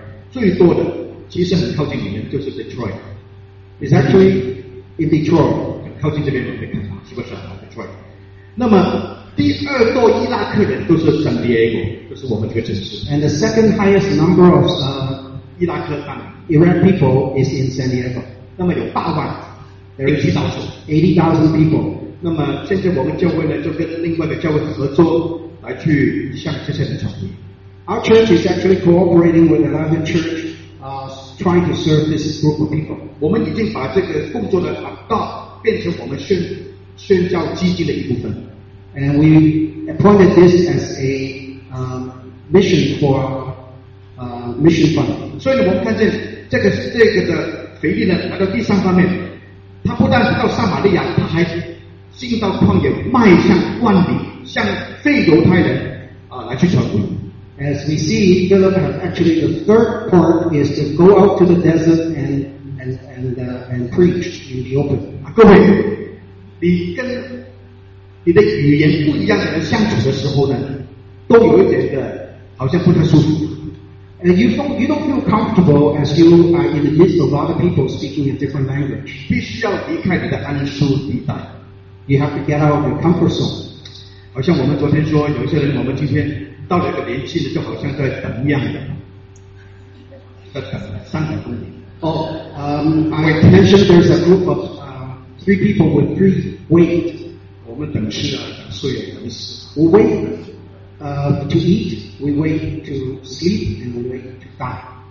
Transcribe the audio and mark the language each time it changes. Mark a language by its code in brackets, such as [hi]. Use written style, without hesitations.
[zh] 最多的其实很靠近里面，就是 Detroit. [en] It's actually in Detroit. [zh] 靠近这边我们看到是不是 Detroit? 那么。第二多伊拉克人都是 San Diego， 就是我们这个城市。 [en] And the second highest number of [zh] 伊拉克难民 [en] Iraq people is in San Diego。 [zh] 那么有八万 [en] ，there is 80,000 people。 [zh] 那么现在我们教会呢，就跟另外的教会合作来去向这些人传福音。 [en] Our church is actually cooperating with another church, trying to serve this group of people。 [zh] 我们已经把这个工作呢，把道变成我们宣宣教基金的一部分。 [en] And we appointed this as a mission for mission fund. [zh] 所以我们看见这个的腓力呢，来到第三方面，他不但是到撒玛利亚，他还进到旷野，迈向万里，向非犹太人来去传福音。 [en] As we see, Philip had actually the third part is to go out to the desert and preach in the open. [zh] 各位，你跟你的语言不一样的人相处的时候呢，都有一点的好像不太舒服。 [en] And you don't feel comfortable as you are in the midst of other people speaking a different language. [zh] 必须要离开你的安舒地带。 [en] You have to get out of your comfort zone. [zh] 好像我们昨天说，有些人我们今天到了一个年纪了，就好像在等一样的，在等300公里。 [en] Oh, I mentioned there's a group of three people with three weight. [zh] 我们等吃啊，等睡啊，等死。 [en] We wait to eat, we wait to sleep, and we wait to die.